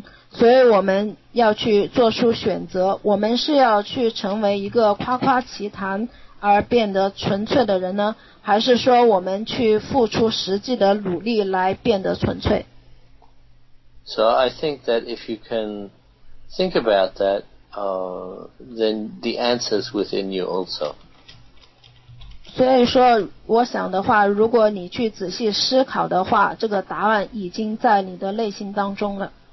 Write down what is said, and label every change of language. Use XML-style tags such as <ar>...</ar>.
<zh>所以我们要去做出选择，我们是要去成为一个夸夸其谈而变得纯粹的人呢，还是说我们去付出实际的努力来变得纯粹？</zh> <en>So I think that if you can think about that, then the answer is within you also.</en> <zh>所以说我想的话，如果你去仔细思考的话，这个答案已经在你的内心当中了。</zh>